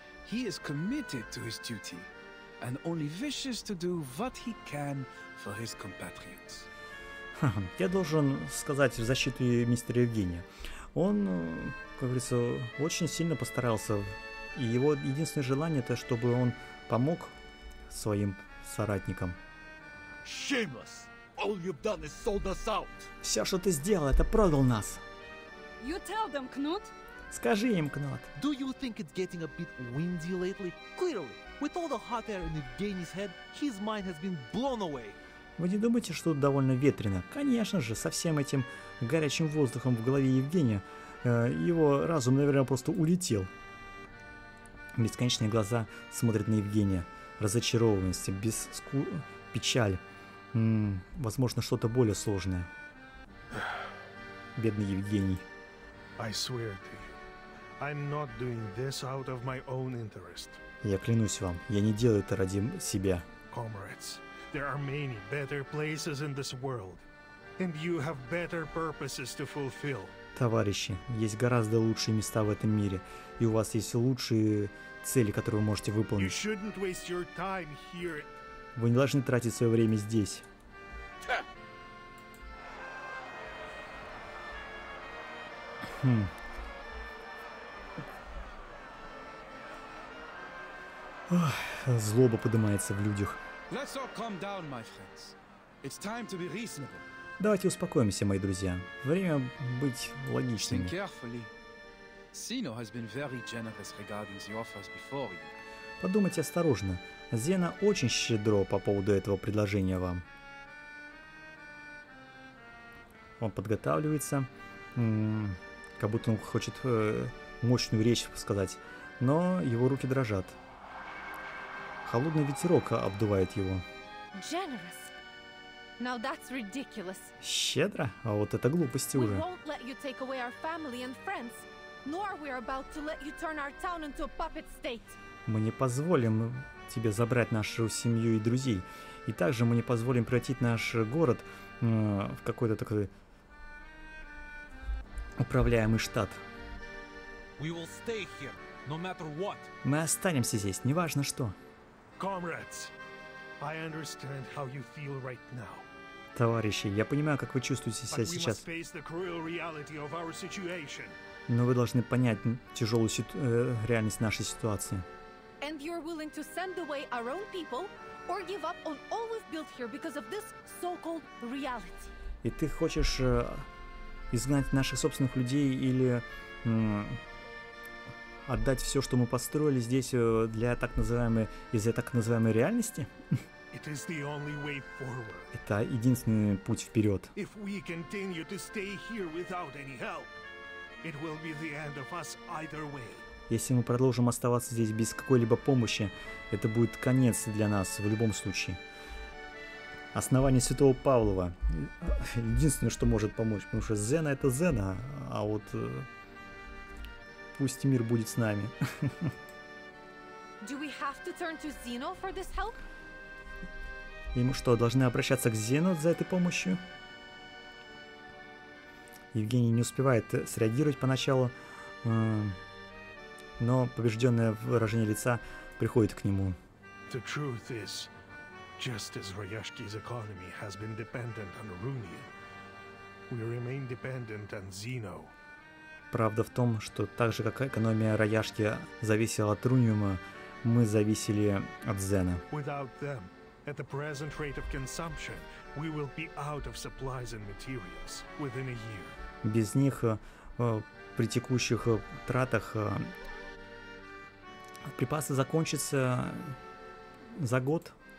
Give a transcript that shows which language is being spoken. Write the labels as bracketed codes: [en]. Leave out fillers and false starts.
[en] He is committed to his duty and only wishes to do what he can for his compatriots. [ru] Я должен сказать в защиту мистера Евгения. Он, как говорится, очень сильно постарался, и его единственное желание — это чтобы он помог своим соратникам. [en] Shameless! All you've done is sold us out! [ru] Все, что ты сделал, это продал нас! [en] You tell them, Knut! [ru] Скажи им, Knut! [en] Do you think it's getting a bit windy lately? Clearly, with all the hot air in Evgeny's head, his mind has been blown away! [ru] Вы не думаете, что тут довольно ветрено? Конечно же, со всем этим горячим воздухом в голове Евгения, его разум, наверное, просто улетел. Бесконечные глаза смотрят на Евгения. Разочарованность, печаль. Возможно, что-то более сложное. Бедный Евгений. [en] I swear to you, I'm not doing this out of my own interest. [ru] Я клянусь вам, я не делаю это ради себя. [en] Comrades. There are many better places in this world, and you have better purposes to fulfill. [ru] Товарищи, есть гораздо лучшие места в этом мире, и у вас есть лучшие цели, которые вы можете выполнить. [en] You shouldn't waste your time here. [ru] Вы не должны тратить свое время здесь. Злоба поднимается в людях. [en] Let's all calm down, my friends. It's time to be reasonable. [ru] Давайте успокоимся, мои друзья. Время быть логичными. [en] Think carefully. Sino has been very generous regarding the offers before you. [ru] Подумайте осторожно. Зена очень щедро по поводу этого предложения вам. Он подготавливается, как будто он хочет мощную речь сказать, но его руки дрожат. Холодный ветерок обдувает его. [en] Generous. Now that's ridiculous. [ru] Щедро? А вот это глупости уже. [en] We won't let you take away our family and friends, nor we are about to let you turn our town into a puppet state. [ru] Мы не позволим тебе забрать нашу семью и друзей, и также мы не позволим превратить наш город в какой-то такой управляемый штат. [en] We will stay here, no matter what. [ru] Мы останемся здесь, неважно что. [en] Comrades, I understand how you feel right now. [ru] Товарищи, я понимаю, как вы чувствуете себя сейчас. [en] But we must face the cruel reality of our situation. [ru] Но вы должны понять тяжелую реальность нашей ситуации. [en] And you're willing to send away our own people or give up on all we've built here because of this so-called reality. [ru] И ты хочешь изгнать наших собственных людей или отдать все, что мы построили здесь, для так называемой, из-за так называемой реальности? [en] It is the only way forward. [ru] Это единственный путь вперед. [en] If we continue to stay here without any help, it will be the end of us either way. [ru] Если мы продолжим оставаться здесь без какой-либо помощи, это будет конец для нас в любом случае. Основание Святого Павлова. Единственное, что может помочь, потому что Зена — это Зена, а вот... Пусть мир будет с нами. [en] Do we have to turn to Zeno for this help? [ru] И мы что, должны обращаться к Зену за этой помощью? Евгений не успевает среагировать поначалу, но побежденное выражение лица приходит к нему. [en] The truth is, just as Ryashki's economy has been dependent on Runi, we remain dependent on Zeno. [ru] Правда в том, что так же, как экономия Раяшки зависела от Руниума, мы зависели от Зена. Them, rate без них при текущих тратах припасы закончатся за год.